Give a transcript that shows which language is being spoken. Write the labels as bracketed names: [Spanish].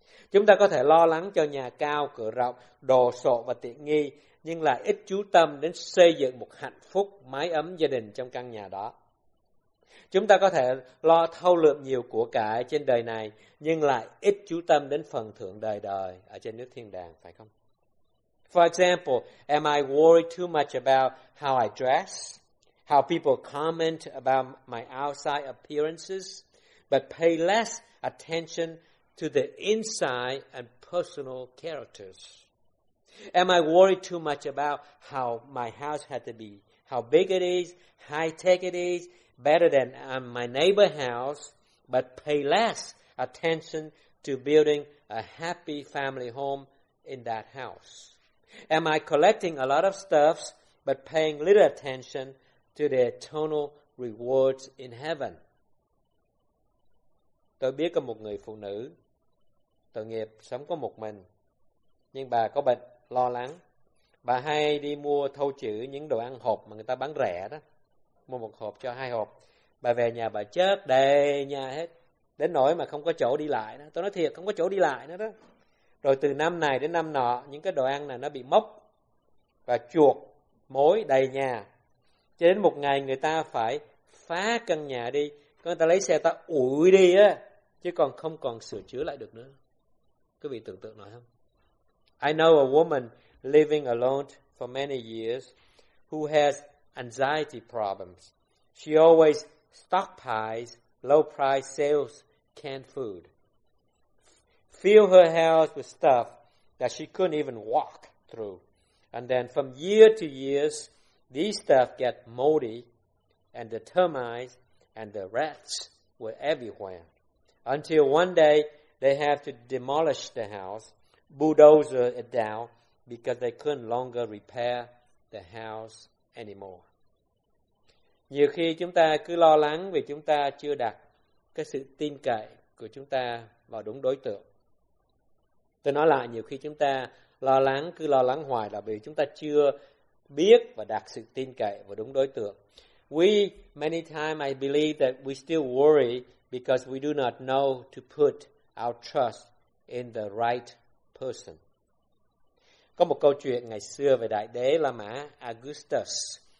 [Vietnamese] Chúng ta có thể lo lắng cho nhà cao cửa rộng, đồ sộ và tiện nghi, nhưng lại ít chú tâm đến xây dựng một hạnh phúc mái ấm gia đình trong căn nhà đó. Chúng ta có thể lo thâu lượm nhiều của cải trên đời này, nhưng lại ít chú tâm đến phần thưởng đời đời ở trên nước thiên đàng, phải không? [English] For example, am I worried too much about how I dress, how people comment about my outside appearances, but pay less attention to the inside and personal characters? Am I worried too much about how my house had to be, how big it is, high-tech it is, better than my neighbor's house, but pay less attention to building a happy family home in that house? Am I collecting a lot of stuffs, but paying little attention to the eternal rewards in heaven? [Vietnamese] Tôi biết có một người phụ nữ tội nghiệp sống có một mình, nhưng bà có bệnh lo lắng. Bà hay đi mua thâu chữ những đồ ăn hộp mà người ta bán rẻ đó. Mua một hộp cho hai hộp. Bà về nhà bà chết đầy nhà hết. Đến nỗi mà không có chỗ đi lại đó. Tôi nói thiệt, không có chỗ đi lại nữa đó. Rồi từ năm này đến năm nọ, những cái đồ ăn này nó bị mốc và chuột, mối đầy nhà. Cho đến một ngày người ta phải phá căn nhà đi. Người ta lấy xe ta ủi đi á. Chứ còn không còn sửa chữa lại được nữa. Quý vị tưởng tượng nổi không? [English] I know a woman living alone for many years who has anxiety problems. She always stockpiles low-priced sales canned food, fill her house with stuff that she couldn't even walk through. And then from year to year, these stuff get moldy and the termites and the rats were everywhere. Until one day, they have to demolish the house, bulldozer it down, because they couldn't longer repair the house anymore. [Vietnamese] Nhiều khi chúng ta cứ lo lắng vì chúng ta chưa đặt cái sự tin cậy của chúng ta vào đúng đối tượng. Tôi nói lại, nhiều khi chúng ta lo lắng, cứ lo lắng hoài là vì chúng ta chưa biết và đặt sự tin cậy vào đúng đối tượng. [English] We, many times I believe that we still worry because we do not know to put our trust in the right person. [Vietnamese] Có một câu chuyện ngày xưa về đại đế La Mã Augustus.